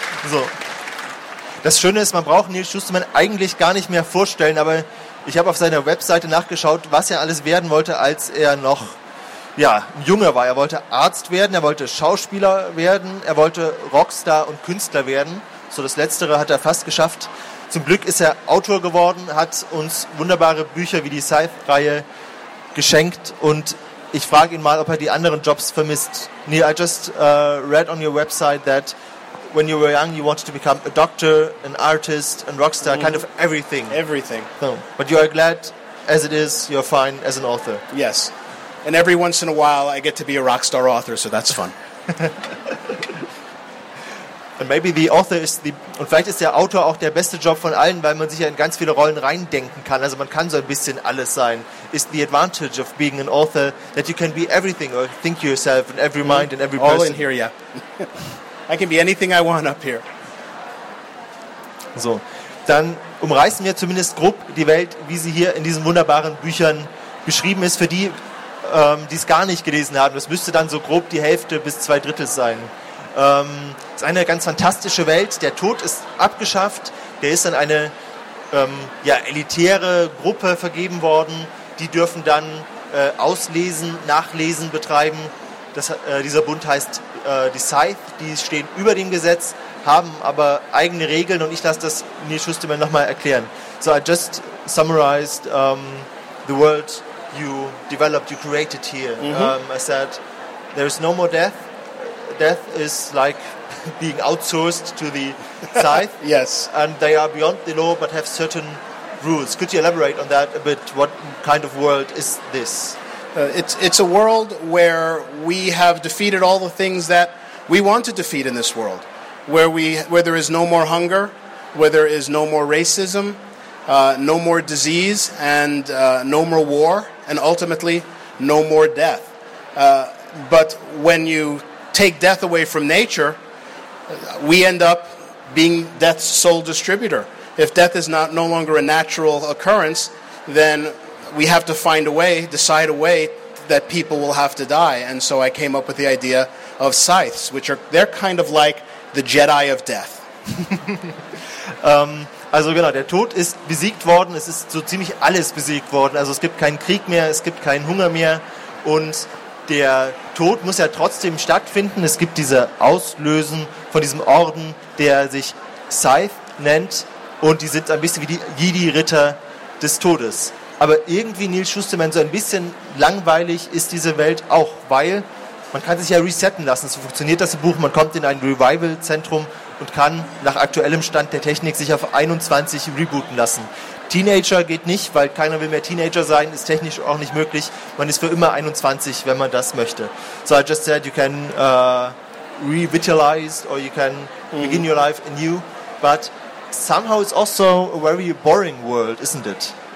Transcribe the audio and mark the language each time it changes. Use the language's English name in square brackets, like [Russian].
[German] So, das Schöne ist, man braucht Neil Schusterman eigentlich gar nicht mehr vorstellen, aber ich habe auf seiner Webseite nachgeschaut, was er alles werden wollte, als er noch ein Junger war. Er wollte Arzt werden, er wollte Schauspieler werden, er wollte Rockstar und Künstler werden. So, das Letztere hat er fast geschafft. Zum Glück ist er Autor geworden, hat uns wunderbare Bücher wie die Scythe-Reihe geschenkt. Und ich frage ihn mal, ob er die anderen Jobs vermisst. [English] Neil, I just read on your website that when you were young, you wanted to become a doctor, an artist, a rockstar, kind of everything. Everything. So, but you are glad as it is, you're fine as an author. Yes. And every once in a while, I get to be a rockstar author, so that's fun. And maybe the author is the, [German] und vielleicht ist der Autor auch der beste Job von allen, weil man sich ja in ganz viele Rollen reindenken kann. Also man kann so ein bisschen alles sein. [English] Is the advantage of being an author that you can be everything or think yourself in every mind and every all person. All in here, yeah. I can be anything I want up here. [German] So, dann umreißen wir zumindest grob die Welt, wie sie hier in diesen wunderbaren Büchern beschrieben ist. Für die, die es gar nicht gelesen haben, das müsste dann so grob die Hälfte bis zwei Drittel sein. Es ist eine ganz fantastische Welt. Der Tod ist abgeschafft. Der ist an eine elitäre Gruppe vergeben worden. Die dürfen dann Auslesen, Nachlesen betreiben. Dieser Bund heißt die Scythe. Die stehen über dem Gesetz, haben aber eigene Regeln. Und ich lasse das Neil Schusterman nochmal erklären. [English] So I just summarized the world you developed, you created here. I said, there is no more death. Death is like being outsourced to the Scythe. Yes. And they are beyond the law but have certain rules. Could you elaborate on that a bit? What kind of world is this? It's a world where we have defeated all the things that we want to defeat in this world. Where there is no more hunger, where there is no more racism, no more disease, and no more war, and ultimately no more death. But when you take death away from nature, we end up being death's sole distributor. If death is no longer a natural occurrence, then we have to find a way, decide a way that people will have to die. And so I came up with the idea of scythes, which are, they're kind of like the Jedi of death. [German] Also genau, der Tod ist besiegt worden, es ist so ziemlich alles besiegt worden. Also es gibt keinen Krieg mehr, es gibt keinen Hunger mehr und der Tod muss ja trotzdem stattfinden. Es gibt diese Auslösen von diesem Orden, der sich Scythe nennt. Und die sind ein bisschen wie die Jedi-Ritter des Todes. Aber irgendwie, Neil Schusterman, so ein bisschen langweilig ist diese Welt auch, weil man kann sich ja resetten lassen. So funktioniert das im Buch. Man kommt in ein Revival-Zentrum und kann nach aktuellem Stand der Technik sich auf 21 rebooten lassen. Teenager geht nicht, weil keiner will mehr Teenager sein, ist technisch auch nicht möglich. Man ist für immer 21, wenn man das möchte. [English] So I just said, you can revitalize or you can begin your life anew. But somehow it's also a very boring world, isn't it?